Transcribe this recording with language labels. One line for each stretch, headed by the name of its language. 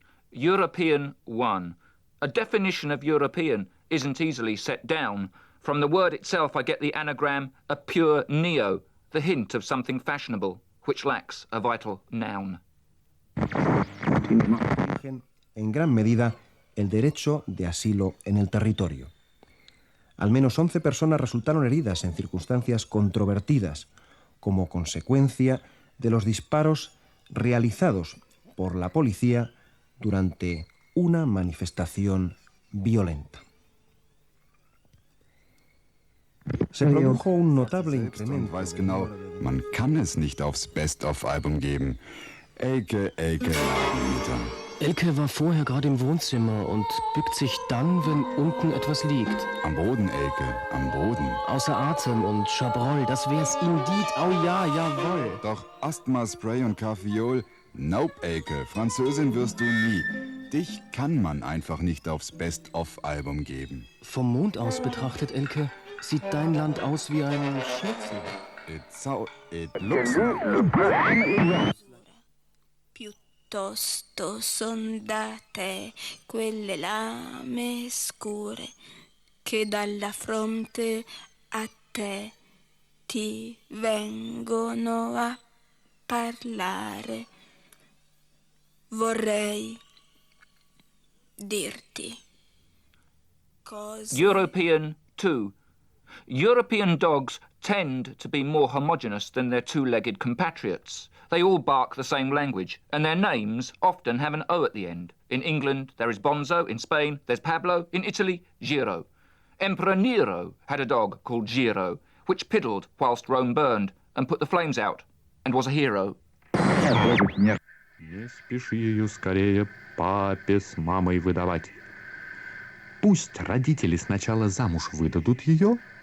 English: European 1. A definition of European isn't easily set down. From the word itself, I get the anagram, a pure neo, the hint of something fashionable, which lacks a vital noun.
Spanish: En gran medida, el derecho de asilo en el territorio. Al menos 11 personas resultaron heridas en circunstancias controvertidas como consecuencia de los disparos realizados por la policía durante una manifestación violenta. Se produjo un notable incremento.
German: Weiß genau, man kann es nicht aufs Best-of-Album geben. Elke, Elke, Lagermieter. Elke war vorher gerade im Wohnzimmer und bückt sich dann, wenn unten etwas liegt. Am Boden, Elke, am Boden. Außer Atem und Schabroll, das wär's
English: indeed,
German: oh ja, jawohl. Doch Asthma-Spray und Carfiol,
English: nope,
German: Elke, Französin wirst du nie. Dich kann man einfach nicht aufs Best-of-Album geben. Vom Mond aus betrachtet, Elke, sieht dein Land aus wie ein Schnitzel?
English: It looks like...
Italian: Piuttosto son da te quelle lame scure che dalla fronte a te ti vengono a parlare. Vorrei dirti cosa...
English: European 2. European dogs tend to be more homogeneous than their two-legged compatriots. They all bark the same language, and their names often have an O at the end. In England, there is Bonzo. In Spain, there's Pablo. In Italy, Giro. Emperor Nero had a dog called Giro, which piddled whilst Rome burned and put the flames out, and was a hero.
Russian: Не спеши ее скорее папе с мамой выдавать. Пусть родители сначала замуж выдадут ее.